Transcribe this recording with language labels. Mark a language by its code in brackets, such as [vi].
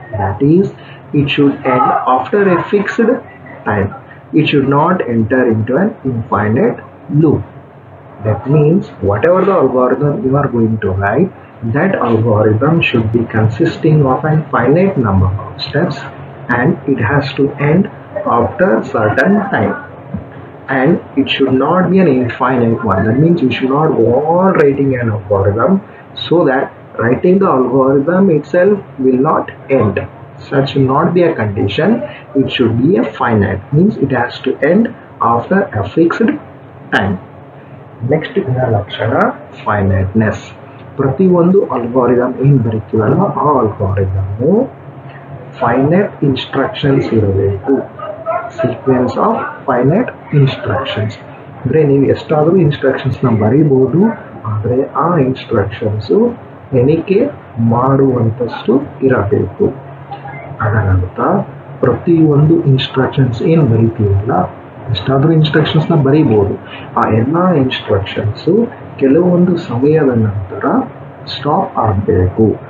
[en] That is, it should end after a fixed time. It should not enter into an infinite loop. That means whatever the algorithm you are going to write, that algorithm should be consisting of an finite number of steps. And it has to end after certain time. And it should not be an infinite one. That means you should not go on writing an algorithm so that writing the algorithm itself will not end. Such should not be a condition. It should be a finite. Means it has to end after a fixed time. Next lakshana, finiteness. Pratiyondu algorithm in particular, algorithm finite instructions ಇರಬೇಕು. [kn] Sequence of finite instructions ಅಂದರೆ ನೀವು ಎಷ್ಟಾದರೂ ಇನ್ಸ್ಟ್ರಕ್ಷನ್ಸ್ನ ಬರೀಬೋದು, ಆದರೆ ಆ instructions ಎಣಿಕೆ ಮಾಡುವಂಥಷ್ಟು ಇರಬೇಕು. ಅದರಂತ ಪ್ರತಿಯೊಂದು instructions ಏನು ಬರೀತೀವಲ್ಲ, ಎಷ್ಟಾದರೂ ಇನ್ಸ್ಟ್ರಕ್ಷನ್ಸ್ನ ಬರೀಬೋದು, ಆ ಎಲ್ಲ ಇನ್ಸ್ಟ್ರಕ್ಷನ್ಸು ಕೆಲವೊಂದು ಸಮಯದ ನಂತರ ಸ್ಟಾಪ್ ಆಗಬೇಕು.